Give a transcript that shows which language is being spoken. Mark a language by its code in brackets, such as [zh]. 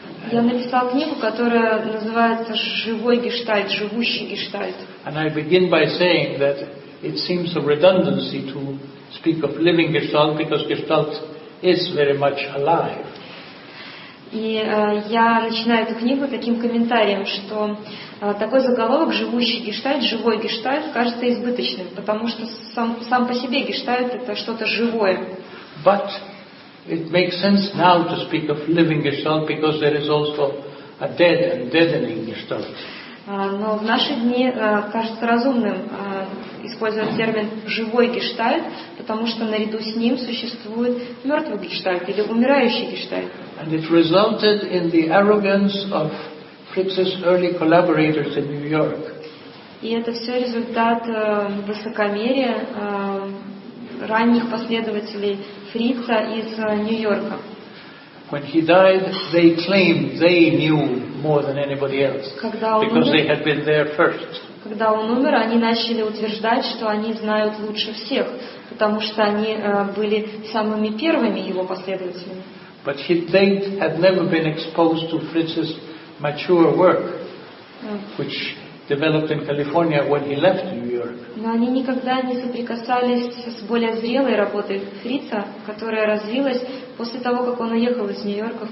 [ru] Я написал книгу, которая называется «Живой гештальт», «Живущий гештальт». [en] And I begin by saying that it seems a redundancy to speak of living gestalt because gestalt is very much alive. [ru] И я начинаю эту книгу таким комментарием, что такой заголовок «Живущий гештальт», «Живой гештальт» кажется избыточным, потому что сам по себе гештальт – это что-то живое. [en] But it makes sense now to speak of living gestalt because there is also a dead and deadening gestalt. [ru] Но в наши дни кажется разумным использовать термин «живой гештальт», потому что наряду с ним существует мертвый гештальт или умирающий гештальт. [en] And it resulted in the arrogance of Fritz's early collaborators in New York. [ru] И это все результат высокомерия ранних последователей Фрица из Нью-Йорка. [en] When he died, they claimed they knew more than anybody else, because they had been there first. [ru] Когда он умер, они начали утверждать, что они знают лучше всех, потому что они были самыми первыми его последователями. [en] But they had never been exposed to Fritz's mature work, which developed in California when he left New York. [ru] Но они никогда не соприкасались с более зрелой работой Фрица, которая развилась после того, как он уехал из Нью-Йорка в